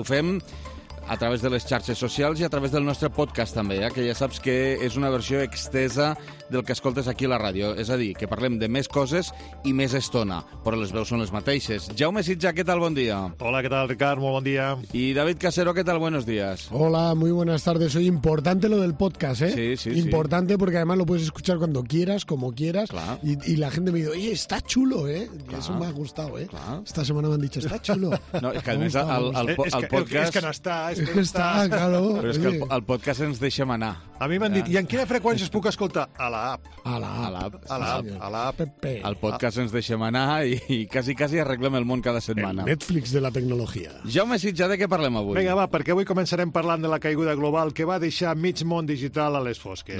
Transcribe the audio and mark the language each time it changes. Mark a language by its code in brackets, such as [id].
[ca] Ho fem a través de les xarxes socials i a través del nostre podcast també, que ja saps que és una versió extesa del que escoltes aquí a la ràdio. És a dir, que parlem de més coses i més estona, però les veus són les mateixes. Jaume Sitja, què tal? Bon dia. Hola, què tal, Ricard? Molt bon dia. I David Casero, què tal? [es] Buenos días. Hola, muy buenas tardes. Soy importante lo del podcast, ¿eh? Sí, sí. Importante sí. Porque además lo puedes escuchar cuando quieras, como quieras. Claro. Y la gente me dice, oye, está chulo, ¿eh? Claro. Eso me ha gustado, ¿eh? Claro. Esta semana me han dicho, está chulo. No, es que además al podcast... Es que no está, es que está. Claro. Pero es que [ca] al podcast ens deixem anar. A mi m'han dit, i en quina freqüència es puc escoltar? A l'app. A l'app. A l'app. A l'app. El podcast ens deixem anar i quasi arreglem el món cada setmana. El Netflix de la tecnologia. Jaume Sitja, de què parlem avui? Vinga, va, perquè avui començarem parlant de la caiguda global que va deixar mig món digital a les fosques.